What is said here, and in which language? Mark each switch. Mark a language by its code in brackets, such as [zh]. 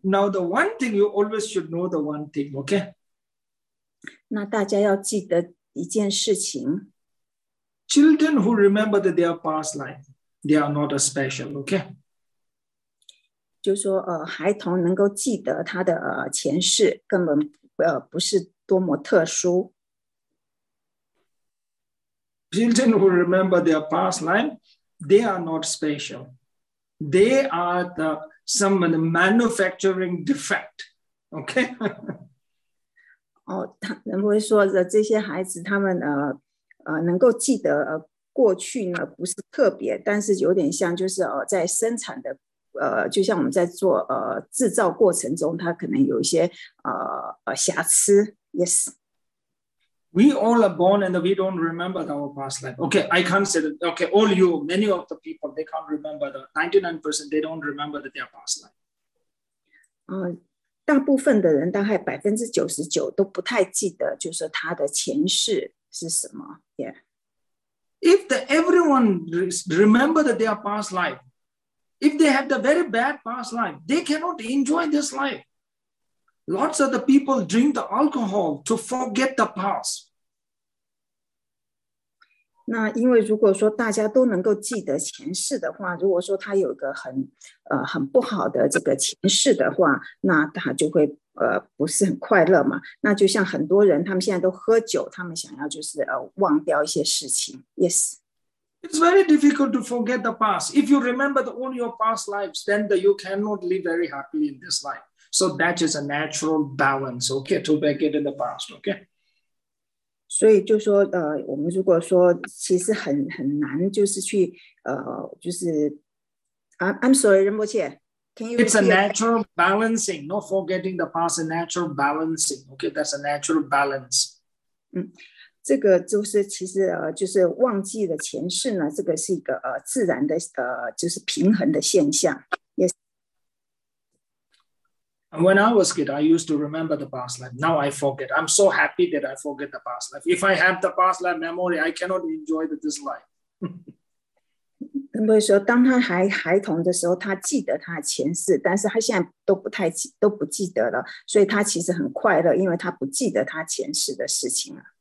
[en] Now the one thing you always should know the one thing. Okay. [zh] 那大家要记得一件事情。 [en] Children who remember that their past life, they are not a special. Okay. [zh] 就说孩童能够记得他的前世，根本不是多么特殊。 [en] Children who remember their past life, they are not special. They are some of the manufacturing defect. Okay? [zh] 哦，仁波切说的这些孩子，他们能够记得过去呢，不是特别，但是有点像就是在生产的就像我们在做制造过程中，他可能有一些瑕疵。 [en] Yes. We all are born and we don't remember our past life. Okay, I can't say that. Okay, all you, many of the people, they can't remember the 99%, they don't remember their past life. [zh] 大部分的人大概 99% 都不太记得就是他的前世是什么。 [en] Yeah. If everyone remember their past life, if they have the very bad past life, they cannot enjoy this life. Lots of the people drink the alcohol to forget the past. [zh] 那因为如果说大家都能够记得前世的话，如果说他有个很不好的这个前世的话，那他就会不是很快乐嘛。那就像很多人他们现在都喝酒，他们想要就是忘掉一些事情。 [en] Yes. It's very difficult to forget the past. If you remember all your past lives, then you cannot live very happily in this life. So that is a natural balance, okay, to make it in the past, okay? [zh] 所以就说我们如果说其实很难就是去就是 [en] I'm sorry, [zh] 仁波切, [en] can you It's a natural balancing, not forgetting the past, a natural balancing, okay? That's a natural balance. [zh] 这个就是其实就是忘记了前世呢，这个是一个自然的就是平衡的现象，也是。 [en] And when I was a kid, I used to remember the past life. Now I forget. I'm so happy that I forget the past life. If I have the past life memory, I cannot enjoy this life. [zh] 他们说，当他还孩童的时候，他记得他的前世，但是他现在都不太记，都不记得了，所以他其实很快乐，因为他不记得他前世的事情了。